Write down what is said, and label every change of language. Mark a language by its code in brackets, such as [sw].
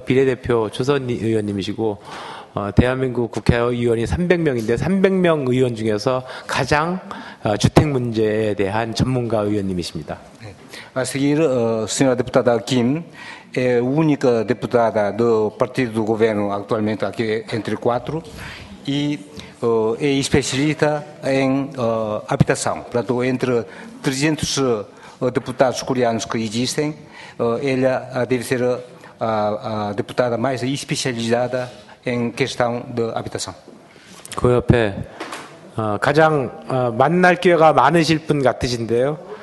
[ko] 비례대표 초선 의원님이시고 대한민국 국회의원이 300명인데 300명 의원 중에서 가장 주택 문제에 대한 전문가 의원님이십니다. [pt] A seguir, senhora deputada Kim, é a única deputada do partido do governo atualmente aqui entre quatro e é especialista em habitação. Portanto, entre 300 deputados coreanos que existem, ela deve ser a deputada mais especializada em questão de habitação. [ko] 그 옆에 가장 만날 기회가 많으실 분 같으신데요.